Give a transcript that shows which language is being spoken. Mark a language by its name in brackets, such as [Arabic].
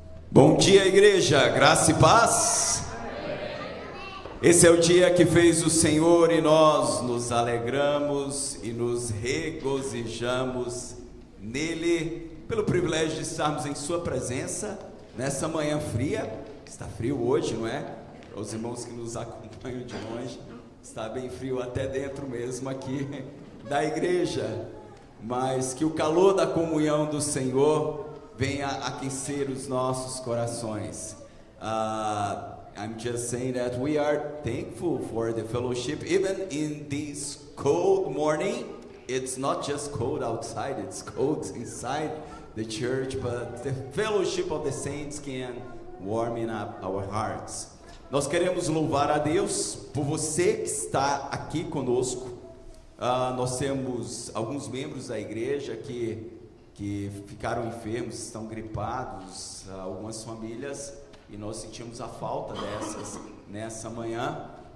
[Portuguese] Bom dia, igreja, graça e paz. Esse é o dia que fez o Senhor e nós nos alegramos e nos regozijamos nele, pelo privilégio de estarmos em sua presença nessa manhã fria. Está frio hoje, não é? Para os irmãos que nos acompanham de longe, está bem frio até dentro mesmo aqui da igreja, mas que o calor da comunhão do Senhor venha aquecer os nossos corações. [English] I'm just saying that we are thankful for the fellowship, even in this cold morning. It's not just cold outside, it's cold inside the church, but the fellowship of the saints can warm up our hearts. [Portuguese] Nós queremos louvar a Deus por você que está aqui conosco. Nós temos alguns membros da igreja que ficaram enfermos, estão gripados, algumas famílias, e nós sentimos a falta dessas nessa manhã.